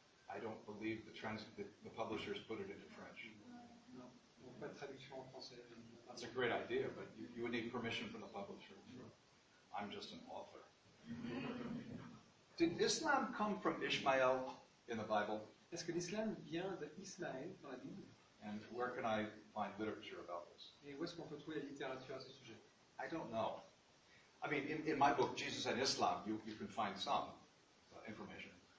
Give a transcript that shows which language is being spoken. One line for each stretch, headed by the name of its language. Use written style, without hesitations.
English: I don't believe the publishers put it into French.
French: No, pas de traduction en français.
English: That's a great idea, but you would need permission from the publisher. I'm just an author. Did Islam come from Ishmael in the Bible?
French: Est-ce que l'islam vient d'Ismaël dans la Bible?
English: And where can I find literature about this?
French: Et où est-ce qu'on peut trouver la littérature à ce sujet?
English: I don't know. I mean, in my book, Jesus and Islam, you can find some information.